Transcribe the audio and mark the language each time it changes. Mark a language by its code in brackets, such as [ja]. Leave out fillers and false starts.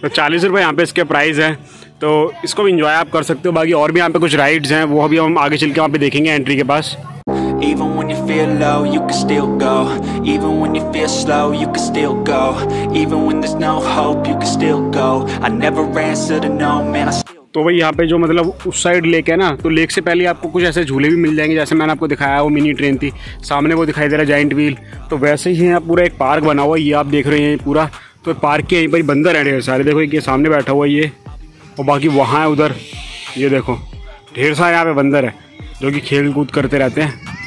[hi] तो 40 रुपये यहाँ पे इसके प्राइस हैं, तो इसको भी इंजॉय आप कर सकते हो। बाकी और भी यहाँ पे कुछ राइड्स हैं, वो अभी हम आगे चल के वहाँ पे देखेंगे एंट्री के पास। [en] Even when you feel low, you can still go. Even when you feel slow, you can still go. Even when there's no hope, you can still go. I never answer to no man. [hi] तो भाई यहाँ पे जो मतलब उस side lake है ना, तो लेक से पहले आपको कुछ ऐसे झूले भी मिल जाएंगे, जैसे मैंने आपको दिखाया वो मिनी ट्रेन थी, सामने वो दिखाई दे रहा है जाइंट व्हील, तो वैसे ही यहाँ पूरा एक पार्क बना हुआ है, ये आप देख रहे हैं पूरा। तो पार्क के यहीं पर बंदर रह रहे हैं सारे, देखो ये सामने बैठा हुआ है ये, और बाकी वहाँ है उधर, ये देखो ढेर सारे यहाँ पे बंदर है जो कि खेल कूद करते रहते हैं।